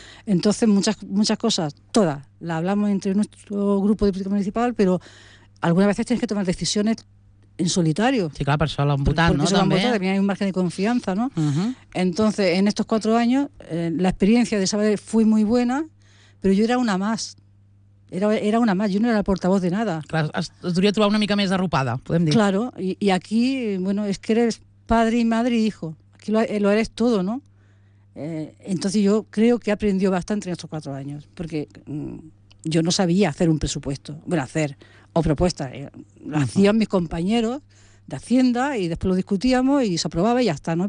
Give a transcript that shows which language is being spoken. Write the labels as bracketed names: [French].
[Spanish] Entonces, muchas cosas, todas, las hablamos entre nuestro grupo de política municipal, pero algunas veces tienes que tomar decisiones en solitario. Sí, claro, pero eso lo han votado, ¿no? Eso lo han votado, también hay un margen de confianza, ¿no? Entonces, en estos 4 años, la experiencia de Sabadell fue muy buena, pero yo era una más. Era una más, yo no era la portavoz de nada. [Catalan] Claro, es duria trobar una mica més arropada, podem dir. [Spanish] Claro, y aquí, bueno, es que eres padre y madre y hijo. Aquí lo eres todo, ¿no? Entonces yo creo que he aprendido bastante en estos 4 años, porque yo no sabía hacer un presupuesto, bueno, hacer, o propuesta. Lo hacían mis compañeros de Hacienda y después lo discutíamos y se aprobaba y ya está, ¿no?